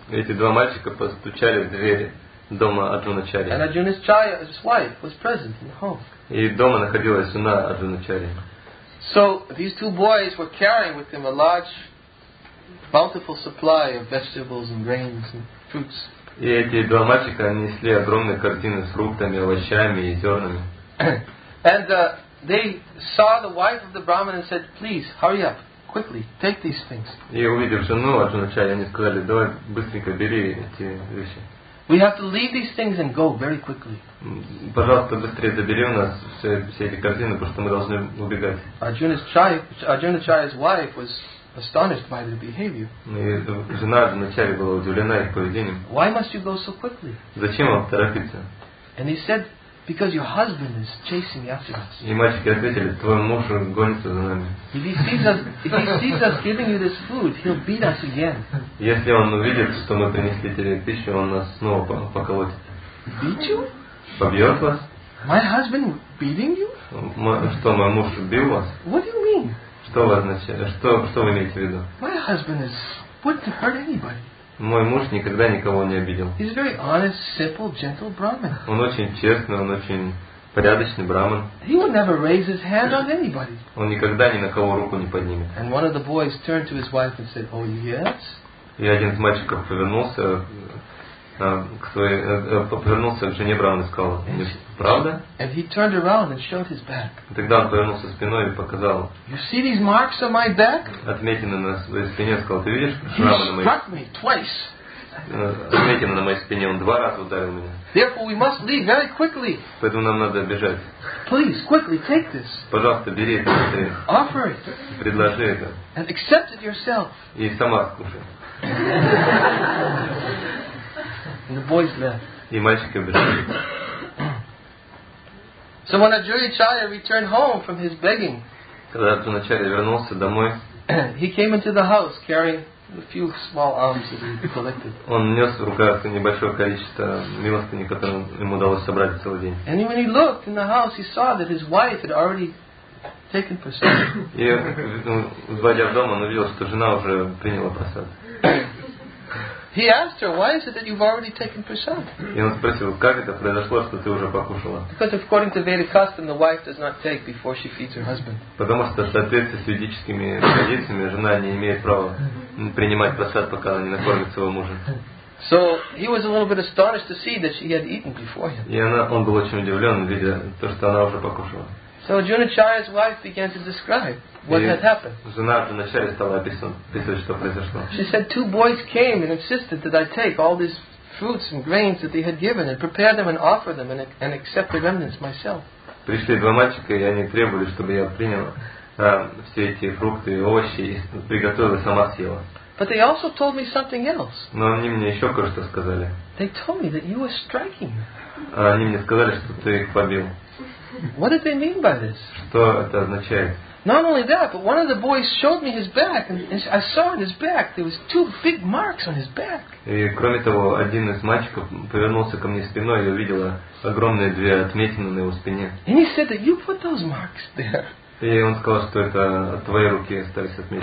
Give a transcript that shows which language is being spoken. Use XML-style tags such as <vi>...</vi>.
<ru>Эти два мальчика постучали в двери дома Арджуначарьи.</ru> <en>And Arjunacharya's wife was present in the home.</en> <ru>И дома находилась жена Арджуначарьи.</ru> <en>So these two boys were carrying with them a large bountiful supply of vegetables and grains and fruits.</en> <ru>И эти два мальчика несли огромные корзины с фруктами, овощами и зернами.</ru> <en>And they saw the wife of the Brahmin and said, please, hurry up, quickly, take these things.</en> <ru>И увидев жену Аджуначари, они сказали, давай быстренько бери эти вещи.</ru> <en>We have to leave these things and go very quickly.</en> <ru>Пожалуйста, быстрее забери у нас все эти корзины, потому что мы должны убегать.</ru> <en>Аджуначари's wife was astonished by their behavior.</en> <ru>И жена Аджуначари была удивлена их поведением.</ru> <en>Why must you go so quickly?</en> <ru>Зачем вам торопиться?</ru> <en>And he said, because your husband is chasing after us.</en> <ru>И мальчики ответили, твой муж гонится за нами.</ru> <en>If he sees us giving you this food, he'll beat us again.</en> <ru>Если он увидит, что мы принесли тебе пищу, он нас снова поколотит.</ru> <en>Beat you?</en> <ru>Побьет вас?</ru> <en>My husband beating you?</en> <ru>Что, мой муж бил вас?</ru> <en>What do you mean?</en> <ru>Что вы означаете? Что вы имеете в виду?</ru> <en>My husband is wouldn't hurt anybody.</en> <ru>Мой муж никогда никого не обидел.</ru> <en>He's a very honest, simple, gentle Brahmin.</en> <ru>Он очень честный, он очень порядочный Брахман.</ru> <en>He would never raise his hand on anybody.</en> <ru>Он никогда ни на кого руку не поднимет.</ru> <en>And one of the boys turned to his wife and said, "Oh yes."</en> <ru>И один из мальчиков повернулся к своей, повернулся к жене Брахмана и сказал, "Правда?"</ru> <en>And he turned around and showed his back.</en> <ru>Тогда он повернулся спиной и показал.</ru> <en>You see these marks on my back?</en> <ru>Отметины на своей спине, сказал, ты видишь шрамы на моей.</ru> <en>He struck me twice.</en> <ru>Отметины на моей спине, он два раза ударил меня.</ru> <en>Therefore we must leave very quickly.</en> <ru>Поэтому нам надо бежать.</ru> <en>Please quickly take this.</en> <ru>Пожалуйста, бери это. Быстрее.</ru> <en>Offer it.</en> <ru>Предложи это.</ru> <en>And accept it yourself.</en> <ru>И сама кушай.</ru> <en>And the boys left.</en> <ru>И мальчики убежали.</ru> <en>So when Аджуначари returned home from his begging,</en> <ru>когда Аджуначари вернулся домой,</ru> <en>he came into the house carrying a few small alms that he collected.</en> <ru>Он нес в руках небольшое количество милостыни, которое ему удалось собрать целый день.</ru> <en>And when he looked in the house, he saw that his wife had already taken prasad.</en> <ru>И, войдя в дом, он увидел, что жена уже приняла просад.</ru> <en>He asked her, why is it that you've already taken prasad?</en> <ru>И он спросил, как это произошло, что ты уже покушала?</ru> <en>Because according to Vedic custom, the wife does not take before she feeds her husband.</en> <ru>Потому что, в соответствии с ведическими традициями, жена не имеет права принимать просад, пока она не накормит своего мужа.</ru> <en>So he was a little bit astonished to see that she had eaten before him.</en> <ru>И он был очень удивлен, видя то, что она уже покушала.</ru> <en>So Junacharya's wife began to describe what had happened.</en> <ru>Жена Junacharya стала описывать, что произошло.</ru> <en>She said two boys came and insisted that I take all these fruits and grains that they had given and prepare them and offer them and accept the remnants myself.</en> <ru>Пришли два мальчика, и они требовали, чтобы я принял все эти фрукты и овощи и приготовил и сама съела.</ru> <en>But they also told me something else.</en> <ru>Но они мне еще кое-что сказали.</ru> <en>They told me that you were striking.</en> <ru>Они мне сказали, что ты их побил.</ru> <en>What did they mean by this?</en> <ru>Что это означает?</ru> <en>Not only that, but one of the boys showed me his back, and I saw on his back there was two big marks on his back.</en> <ru>И кроме того, один из мальчиков повернулся ко мне спиной и увидела огромные две отметины на его спине.</ru> <en>And he said that you put those marks there.</en> <ru>И он сказал, что это твои руки остались отметины.</ru>